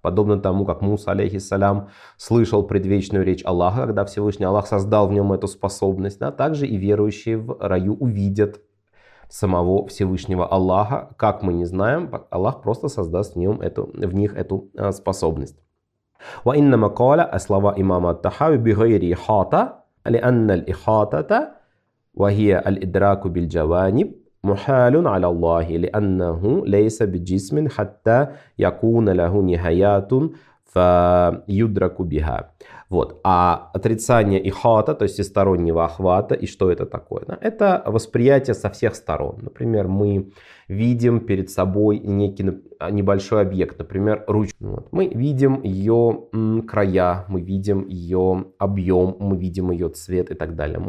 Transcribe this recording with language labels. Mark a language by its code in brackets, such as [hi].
[ru] Подобно тому, как Муса, алейхиссалям, слышал предвечную речь Аллаха, когда Всевышний Аллах создал в нем эту способность, да, также и верующие в раю увидят самого Всевышнего Аллаха, как мы не знаем, Аллах просто создаст в них эту способность. [ar] وإنما قال أسلوا إمام التحاوي بغير إحاطة لأن الإحاطة وهي الإدراك بالجوانب محال على الله لأنه ليس بجسم حتى يكون له نهايات فيدرك بها. [ru] Вот. А отрицание ихата, то есть всестороннего охвата, и что это такое? Да? Это восприятие со всех сторон. Например, мы видим перед собой некий небольшой объект, например, ручку. Вот. Мы видим ее края, мы видим ее объем, мы видим ее цвет и так далее.